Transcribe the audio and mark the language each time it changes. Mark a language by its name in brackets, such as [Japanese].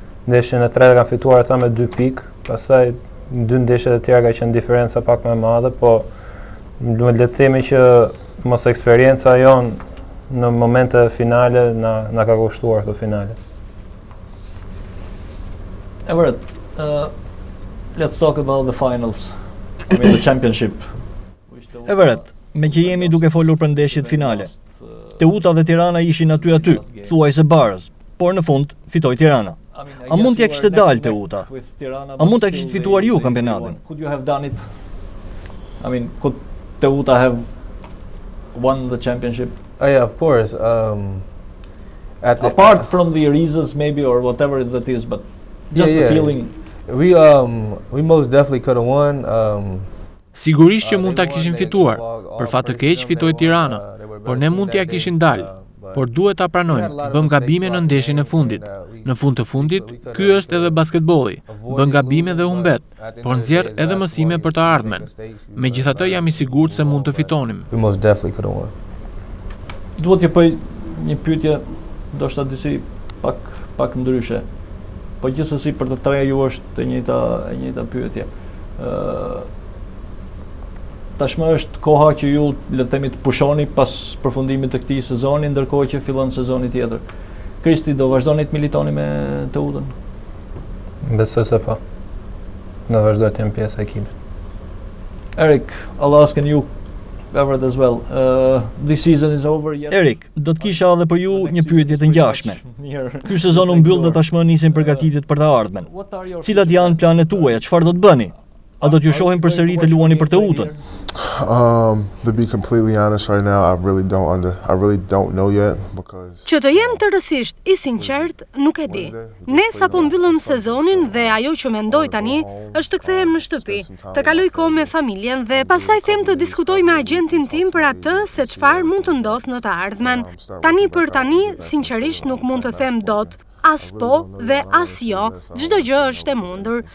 [Albanian] Ndeshjen e tretë kanë fituar ata me 2 pikë. Pastaj në dy ndeshjet e tjera ka qenë diferenca pak më e madhe, po duhet le të themi që mos eksperjenca jon në momente finale na ka kushtuar këto finale. E vërtet. [English] Let's talk about the finals. I mean the championship. [Albanian] E vërtet, me që jemi duke folur për ndeshjet finale. Teuta dhe Tirana ishin aty, thuaj se barës, por në fund, fitoj Tirana. A mund t'ja kishte dalë Teuta? A mund t'ja kishte fituar ju kampionatin? [English] Could you have done it? I mean, could Teuta have won the championship? Oh yeah, of course. Apart from the reasons maybe or whatever that is, but just the feeling. We most definitely could have won. [Albanian] Sigurisht që mund ta kishim fituar. Për fat të keq fitoi Tirana, por ne mund t'ia kishim dalë. Por duhet ta pranojmë, bëm gabime në ndeshjen e fundit. Në fund të fundit, ky është edhe basketbolli. Bën gabime dhe humbet, por nxjerr edhe mësime për të ardhmen. Megjithatë jam i sigurt se mund të fitonim. [English] We most definitely could have won. [Albanian] Duhet të bëj një pyetje, ndoshta disi pak ndryshe. Po gjithsesi për të treja ju është e njëjta pyetje. Tashmë është koha që ju le të themi të pushoni pas përfundimit të këtij sezoni, ndërkohë që fillon sezoni tjetër. Kristi, do vazhdoni të militoni me Teutën? Besoj se po. Do vazhdoj të jem pjesë e ekipit. [English] Erik, I'll ask you ever as well. This season is over yet. [Albanian] Erik, do të kisha edhe për ju një pyetje të ngjashme. Ky sezon u mbyll dhe tashmë nisin përgatitjet për të ardhmen. Cilat janë planet tuaja? Çfarë do të bëni? A do t'ju shohim përsëri të luani për Teutën? [English] To be completely honest right now, I really don't know yet because [Albanian] që të jem tërësisht i sinqert, nuk e di. Ne sapo mbyllëm sezonin dhe ajo që mendoj tani është të kthehem në shtëpi, të kaloj kohë me familjen dhe pastaj them të diskutoj me agjentin tim për atë se çfarë mund të ndodh në të ardhmen. Tani për tani, sinqerisht nuk mund të them dot. As po dhe as jo, çdo gjë është e mundur.